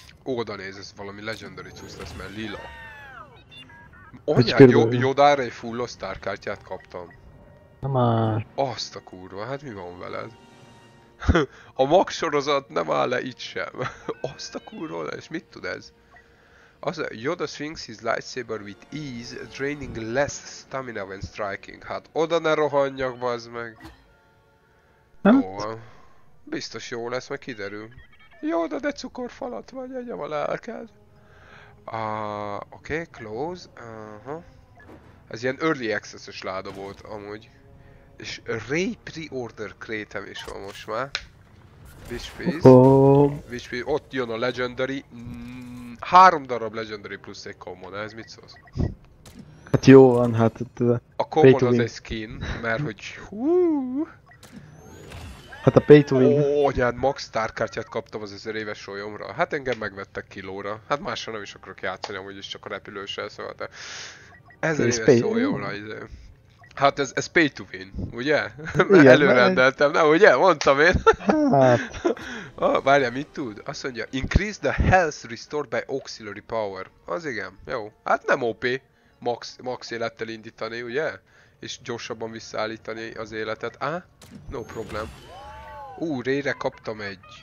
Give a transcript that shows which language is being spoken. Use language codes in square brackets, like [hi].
[hu] Oda néz, ez valami legendary cucc lesz, mert lila. Anyád, Yodára egy full Star kártyát kaptam. Na már. Azt a kurva, hát mi van veled? A Max sorozat nem áll le itt sem. Azt a kurva, és mit tud ez? [en] Az a Yoda swings his lightsaber with ease, draining less stamina when striking. [hu] Hát oda ne rohanjak, bazd meg. Nem? Jó, biztos jó lesz, meg kiderül. Yoda, de cukorfalat vagy, egyem a lelked. Oké, close. Ez ilyen early access-ös láda volt amúgy. És Ray pre-order crate-em is van most már. [en] Which piece? Which piece? [hu] Ott jön a legendary. Három darab legendary plusz egy common, ez mit szólsz? Hát jó van, hát... A common az egy skin, mert hogy... Hát a pay to win. Ó, anyád, max tárkártyát kaptam az 1000 éves solyomra. Hát engem megvettek kilóra. Hát másra nem is akarok játszani, amúgy is csak a repülőssel, szóval de... 1000 éves solyomra, izé. Hát ez pay to win, ugye? Mert előrendeltem, nem ugye? Mondtam én. Hát... Várjál, mit tud? Azt mondja, [en] increase the health restored by auxiliary power. [hu] Az igen, jó. Hát nem OP. Max élettel indítani, ugye? És gyorsabban visszaállítani az életet. Á? [en] No problem. [hu] Rére kaptam egy...